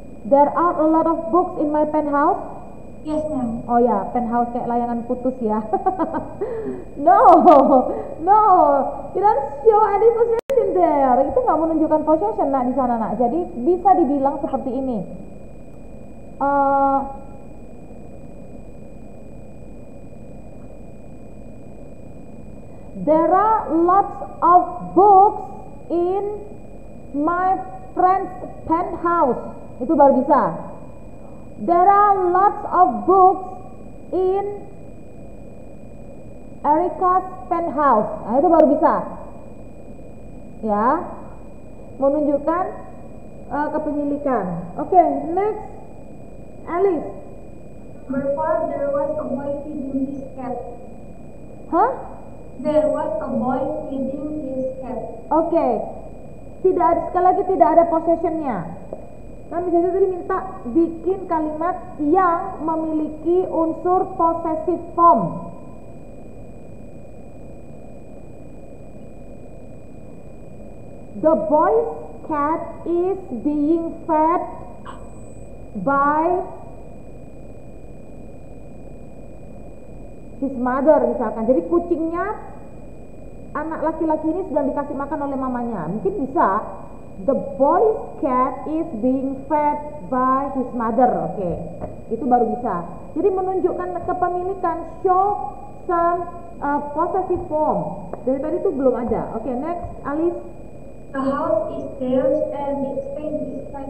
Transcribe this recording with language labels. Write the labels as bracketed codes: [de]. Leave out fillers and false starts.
[en] There are a lot of books in my friend's house. Yes, ma'am. [id] Oh ya, penthouse kayak layangan putus ya. [en] No, no, you don't show any possession there. [id] Itu nggak menunjukkan possession, nak, di sana, nak. Jadi bisa dibilang seperti ini. Uh, [en] There are lots of books in my friend's penthouse. [id] Itu baru bisa. [en] There are lots of books in Erica's penthouse. [id] Nah, itu baru bisa. Ya. Menunjukkan kepemilikan. [en] Okay, next. Alice. Number 4, there was a boy feeding his cat. Hah? There was a boy feeding his cat. Okay. [id] Tidak ada, sekali lagi tidak ada possession-nya. Nah, misalnya tadi minta bikin kalimat yang memiliki unsur possessive form. [en] The boy's cat is being fed by his mother, misalkan. [id] Jadi kucingnya, anak laki-laki ini sedang dikasih makan oleh mamanya. Mungkin bisa. [en] The boy's cat is being fed by his mother. [id] Oke, okay. Itu baru bisa. Jadi menunjukkan kepemilikan, [en] show some possessive form. [id] Dari tadi itu belum ada. Oke, okay, next, Alice. [en] The house is theirs and it's painted beside